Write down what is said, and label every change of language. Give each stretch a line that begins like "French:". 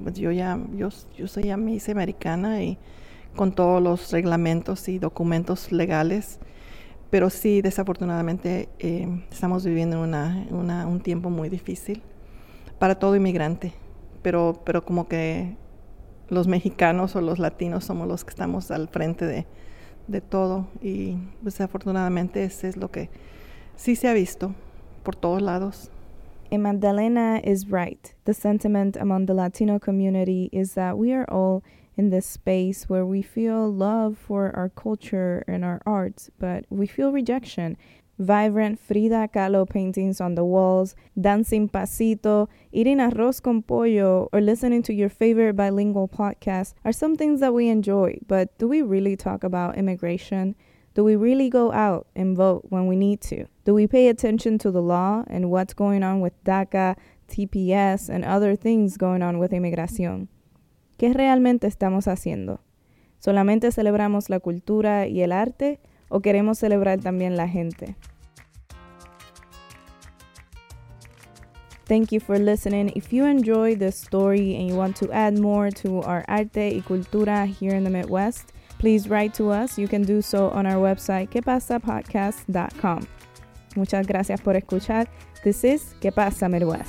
Spanish: Pues yo ya me hice americana y con todos los reglamentos y documentos legales, pero sí, desafortunadamente, estamos viviendo un tiempo muy difícil para todo inmigrante, pero como que los mexicanos o los latinos somos los que estamos al frente de todo, y desafortunadamente ese es lo que sí se ha visto por todos lados.
English: And Magdalena is right. The sentiment among the Latino community is that we are all in this space where we feel love for our culture and our arts, but we feel rejection. Vibrant Frida Kahlo paintings on the walls, dancing pasito, eating arroz con pollo, or listening to your favorite bilingual podcast are some things that we enjoy, but do we really talk about immigration? Do we really go out and vote when we need to? Do we pay attention to the law and what's going on with DACA, TPS, and other things going on with immigración?
Spanish: ¿Qué realmente estamos haciendo? ¿Solamente celebramos la cultura y el arte o queremos celebrar también la gente?
English: Thank you for listening. If you enjoyed this story and you want to add more to our
Spanish: arte y cultura
English: here in the Midwest, please write to us. You can do so on our website, quepasapodcast.com.
Spanish: Muchas gracias por escuchar.
English: This is
Spanish: ¿Qué pasa Midwest?